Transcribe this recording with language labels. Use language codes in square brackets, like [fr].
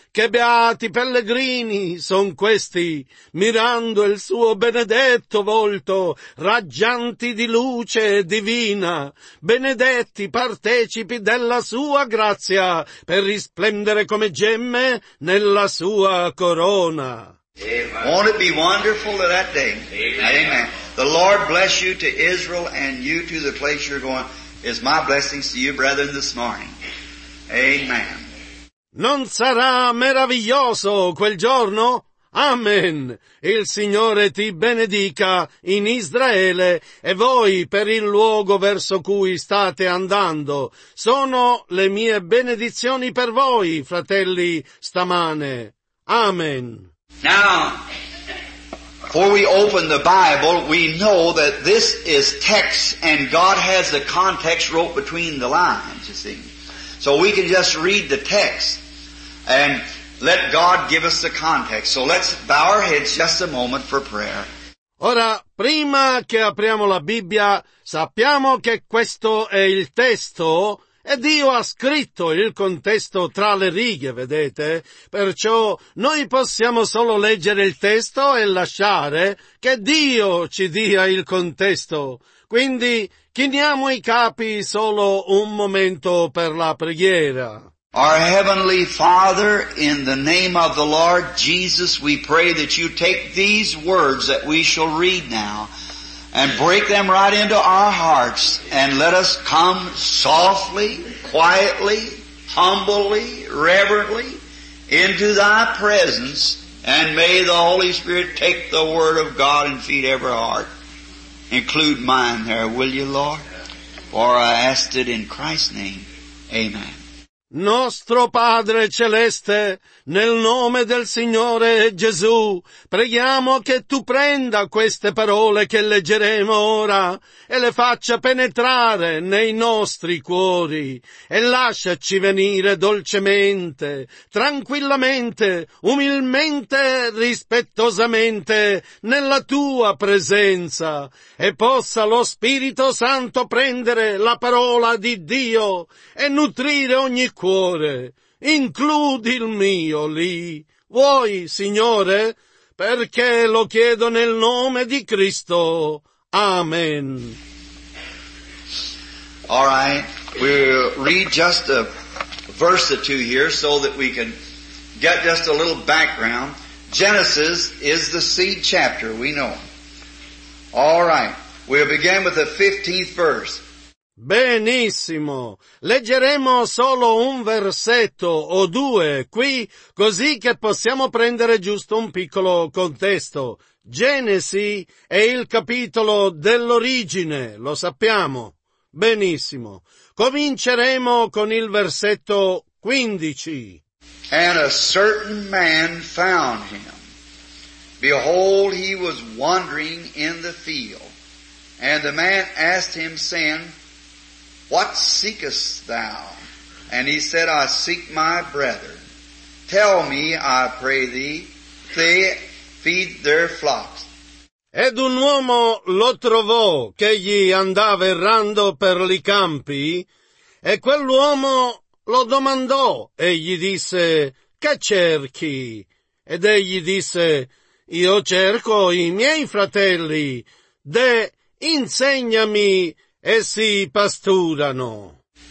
[it] Che beati pellegrini son questi. Mirando il suo benedetto volto. Raggiante di luce divina, benedetti partecipi della sua grazia per risplendere come gemme nella sua corona. [en] Won't it be wonderful that day? Amen. Amen. The Lord bless you to Israel and you to the place you're going. Is my blessings to you, brethren, this morning. Amen. [it] Non sarà meraviglioso quel giorno? Amen. Il Signore ti benedica in Israele e voi per il luogo verso cui state andando. Sono le mie benedizioni per voi, fratelli, stamane. Amen. [en] Now, before we open the Bible, we know that this is text and God has the context wrote between the lines, you see. So we can just read the text and let God give us the context. So let's bow our heads just a moment for prayer. [it] Ora, prima che apriamo la Bibbia, sappiamo che questo è il testo e Dio ha scritto il contesto tra le righe, vedete? Perciò noi possiamo solo leggere il testo e lasciare che Dio ci dia il contesto. Quindi chiniamo i capi solo un momento per la preghiera. [en] Our Heavenly Father, in the name of the Lord Jesus, we pray that you take these words that we shall read now and break them right into our hearts and let us come softly, quietly, humbly, reverently into thy presence, and may the Holy Spirit take the word of God and feed every heart. Include mine there, will you, Lord? For I ask it in Christ's name. Amen. [it] Nostro Padre Celeste, nel nome del Signore Gesù, preghiamo che Tu prenda queste parole che leggeremo ora e le faccia penetrare nei nostri cuori e lasciaci venire dolcemente, tranquillamente, umilmente, rispettosamente nella Tua presenza e possa lo Spirito Santo prendere la parola di Dio e nutrire ogni cuore. Includi il mio lì, vuoi, Signore, perché lo chiedo nel nome di Cristo. Amen. [en] All right, we'll read just a verse or two here so that we can get just a little background. Genesis is the seed chapter, we know. All right, we'll begin with the 15th verse. [it] Benissimo. Leggeremo solo un versetto o due qui, così che possiamo prendere giusto un piccolo contesto. Genesi è il capitolo dell'origine, lo sappiamo. Benissimo. Cominceremo con il versetto 15. [en] And a certain man found him. Behold, he was wandering in the field. And the man asked him, saying, What seekest thou? And he said, I seek my brethren. Tell me, I pray thee, they feed their flocks. [it] Ed un uomo lo trovò, che gli andava errando per i campi, e quell'uomo lo domandò, e gli disse, Che cerchi? Ed egli disse, Io cerco i miei fratelli, de insegnami essi pasturano.